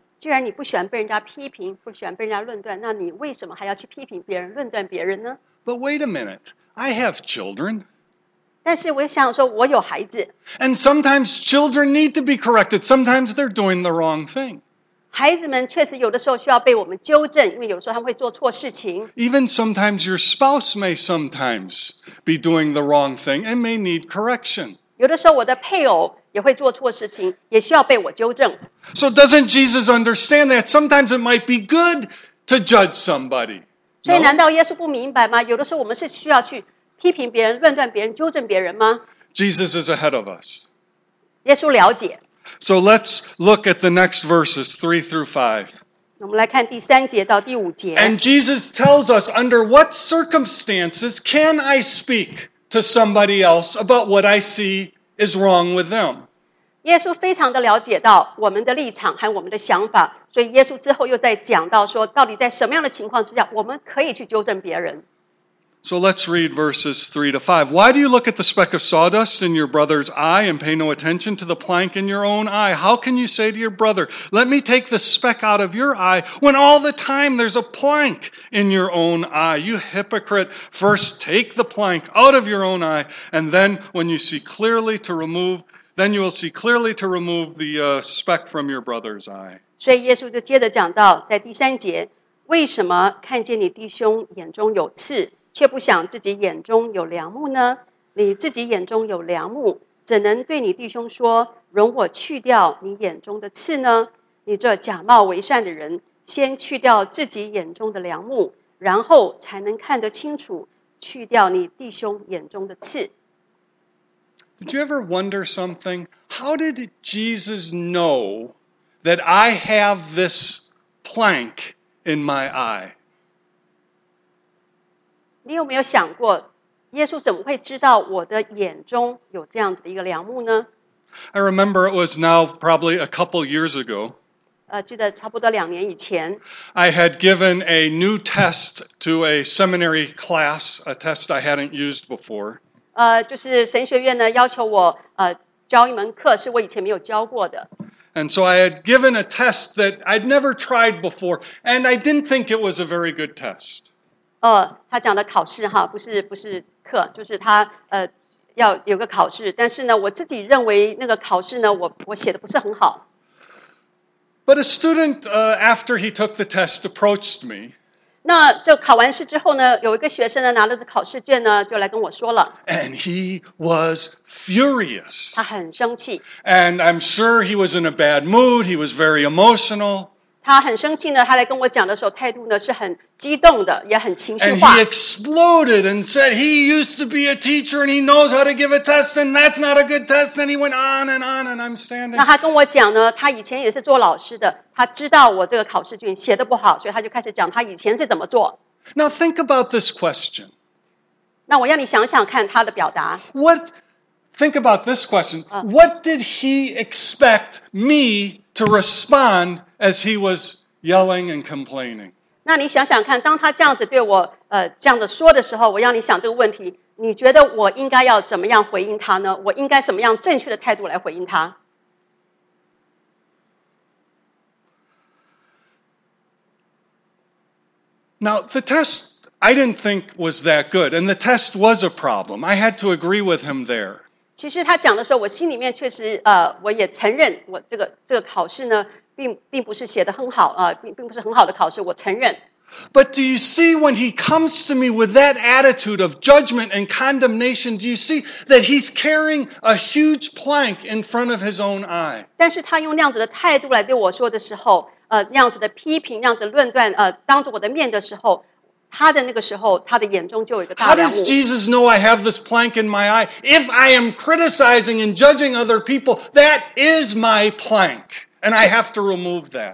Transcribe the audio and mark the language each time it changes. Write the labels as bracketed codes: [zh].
[zh] 既然你不喜欢被人家批评，不喜欢被人家论断，那你为什么还要去批评别人、论断别人呢？ [en] But wait a minute. I have children. [zh] 但是我想说，我有孩子。 [en] And sometimes children need to be corrected. Sometimes they're doing the wrong thing. [zh] 孩子们确实有的时候需要被我们纠正，因为有时候他们会做错事情。 [en] Even sometimes your spouse may sometimes be doing the wrong thing and may need correction. [zh] 有的时候我的配偶也会做错事情，也需要被我纠正。 [en] So doesn't Jesus understand that sometimes it might be good to judge somebody? [zh] 所以难道耶稣不明白吗？有的时候我们是需要去批评别人、论断别人、纠正别人吗？ [en] Jesus is ahead of us. [zh] 耶稣了解。 [en] So let's look at the next verses, 3-5. [zh] 我们来看第三节到第五节。 [en] And Jesus tells us, under what circumstances can I speak to somebody else about what I see is wrong with them? [zh] 耶稣非常的了解到我们的立场和我们的想法，所以耶稣之后又在讲到说，到底在什么样的情况之下，我们可以去纠正别人。 [en] So let's read verses 3-5. Why do you look at the speck of sawdust in your brother's eye and pay no attention to the plank in your own eye? How can you say to your brother, let me take the speck out of your eye, when all the time there's a plank in your own eye? You hypocrite, first take the plank out of your own eye, and then when you see clearly to remove, then you will see clearly to remove the speck from your brother's eye. [zh] 所以耶稣就接着讲到在第三节，为什么看见你弟兄眼中有刺却不想自己眼中有良木呢？你自己眼中有良木，怎能对你弟兄说，容我去掉你眼中的刺呢？你这假冒为善的人，先去掉自己眼中的良木，然后才能看得清楚，去掉你弟兄眼中的刺。 [en] Did you ever wonder something? How did Jesus know that I have this plank in my eye? [zh] 你有没有想过，耶稣怎么会知道我的眼中有这样子的一个梁木呢？ [en] I remember it was now probably a couple years ago. [zh] 记得差不多两年以前。 [en] I had given a new test to a seminary class, a test I hadn't used before. [zh] 就是神学院呢要求我教一门课是我以前没有教过的。 [en] And so I had given a test that I'd never tried before, and I didn't think it was a very good test. [zh] 他讲的考试哈，不是课，就是他要有个考试。但是呢，我自己认为那个考试呢，我写的不是很好。 [en] But a student, after he took the test, approached me. [zh] 那就考完试之后呢，有一个学生呢，拿着考试卷呢，就来跟我说了。 [en] And he was furious. [zh] 他很生气。 [en] And I'm sure he was in a bad mood. He was very emotional. [zh] 他很生气呢，他来跟我讲的时候，态度呢是很激动的，也很情绪化。 [en] And he exploded and said he used to be a teacher and he knows how to give a test and that's not a good test. And he went on and on and I'm standing. [zh] 那他跟我讲呢，他以前也是做老师的，他知道我这个考试卷写的不好，所以他就开始讲他以前是怎么做。 [en] Now think about this question. [zh] 那我要你想想看他的表达。 [en] Think about this question. What did he expect me to respond as he was yelling and complaining? [zh] 那你想想看，当他这样子对我，这样子说的时候，我让你想这个问题，你觉得我应该要怎么样回应他呢？我应该什么样正确的态度来回应他？ [en] Now, the test, I didn't think was that good, and the test was a problem. I had to agree with him there. [zh] 其实他讲的时候，我心里面确实，我也承认，我这个考试呢，并不是写得很好啊，并不是很好的考试，我承认。 [en] But do you see when he comes to me with that attitude of judgment and condemnation? Do you see that he's carrying a huge plank in front of his own eye? [zh] 但是他用那样子的态度来对我说的时候，那样子的批评，那样子的论断，当着我的面的时候。他的那个时候，他的眼中就有一个大梁木。 [en] How does Jesus know I have this plank in my eye? If I am criticizing and judging other people, that is my plank, and I have to remove that.